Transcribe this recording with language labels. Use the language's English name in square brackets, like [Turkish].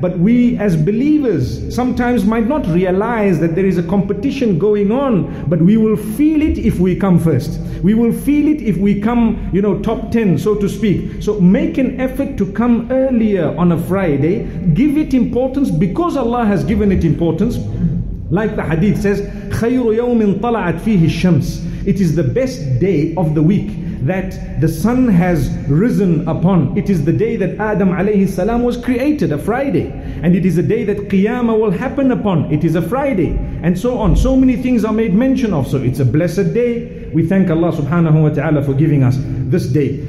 [English] But we as believers sometimes might not realize that there is a competition going on. But we will feel it if we come first. We will feel it if we come, you know, top 10, so to speak. So make an effort to come earlier on a Friday. Give it importance because Allah has given it importance. Like the hadith says, [Arabic] خَيْرُ يَوْمٍ طَلَعَتْ فِيهِ الشَّمْسِ. [English] It is the best day of the week that the sun has risen upon. It is the day that Adam alayhi salam was created, a Friday. And it is a day that Qiyamah will happen upon. It is a Friday. And so on. So many things are made mention of. So it's a blessed day. We thank Allah subhanahu wa ta'ala for giving us this day.